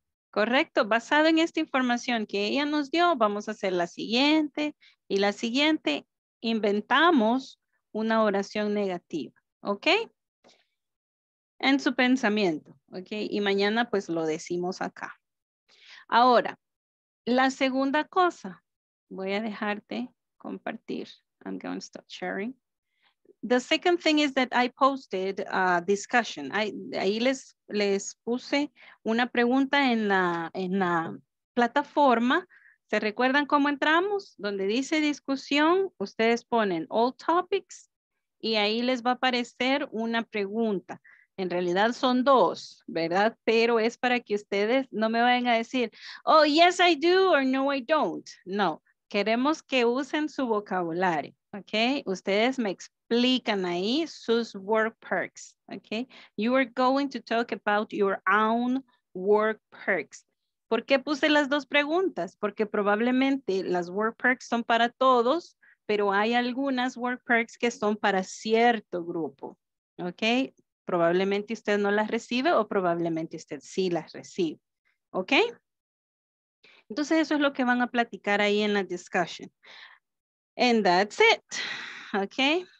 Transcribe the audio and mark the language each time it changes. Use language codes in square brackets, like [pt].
[es] Correcto, basado en esta información que ella nos dio, vamos a hacer la siguiente y la siguiente, inventamos una oración negativa, ¿ok? En su pensamiento, ¿ok? Y mañana pues lo decimos acá. Ahora, la segunda cosa, voy a dejarte compartir. [en] I'm going to stop sharing. The second thing is that I posted a discussion. [es] Ahí les puse una pregunta en la plataforma. ¿Se recuerdan cómo entramos? Donde dice discusión, ustedes ponen [en] all topics [es] y ahí les va a aparecer una pregunta. En realidad son dos, ¿verdad? Pero es para que ustedes no me vayan a decir, [en] oh, yes, I do or no, I don't. [es] No, queremos que usen su vocabulario. Ok, ustedes me explican ahí sus work perks. [en] Ok, you are going to talk about your own work perks. [es] ¿Por qué puse las dos preguntas? Porque probablemente las work perks son para todos, pero hay algunas work perks que son para cierto grupo. Ok, probablemente usted no las recibe o probablemente usted sí las recibe. Ok, entonces eso es lo que van a platicar ahí en la discussion. [en] And that's it. Okay.